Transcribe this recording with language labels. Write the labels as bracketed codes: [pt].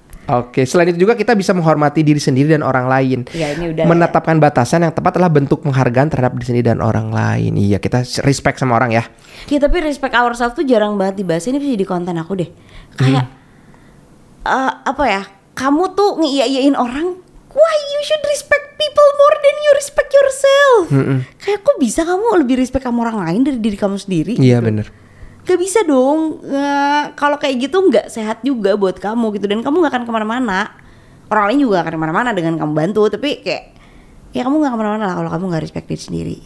[id] Oke, selain itu juga kita bisa menghormati diri sendiri dan orang lain. Ya, ini udah menetapkan ya. Batasan yang tepat adalah bentuk penghargaan terhadap diri sendiri dan orang lain. Iya, kita respect sama orang ya. Iya, tapi [en] respect ourselves [id] tuh jarang banget dibahas. Ini bisa jadi konten aku deh. Kayak apa ya? Kamu tuh ngiyain orang. [en] Why you should respect people more than you respect yourself? [id] Kayak kok bisa kamu lebih respect sama orang lain dari diri kamu sendiri? Iya, gitu? Benar. Gak bisa dong, kalau kayak gitu gak sehat juga buat kamu gitu. Dan kamu gak akan kemana-mana, orang lain juga gak akan kemana-mana dengan kamu bantu. Tapi kayak, ya kamu gak kemana-mana lah kalau kamu gak respect diri sendiri.